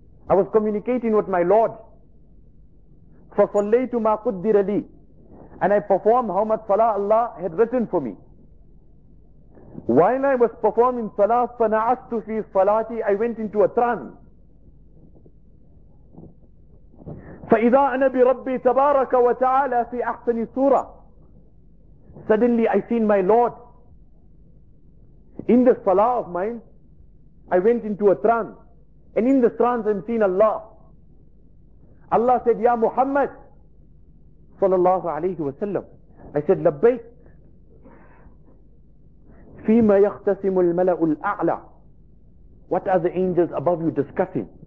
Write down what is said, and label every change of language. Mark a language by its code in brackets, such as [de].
[en] I was communicating with my Lord. [ar] فَصَلَّيْتُ مَا قُدِّرَ لِي [en] And I performed how much Salah Allah had written for me. While I was performing Salah, [ar] فَنَعَسْتُ فِي صَلَاتِي [en] I went into a trance. [ar] فَإِذَا أَنَا بِرَبِّي تَبَارَكَ وَتَعَالَى فِي أَحْسَنِ سُورَةِ [en] Suddenly I seen my Lord. In the Salah of mine, I went into a trance. And in the trance I'm seeing Allah. Allah said, Ya Muhammad, sallallahu alayhi wa sallam, I said, labbayk, [ar] fima yakhtasimu al-mala'u al-a'la, [en] what are the angels above you discussing?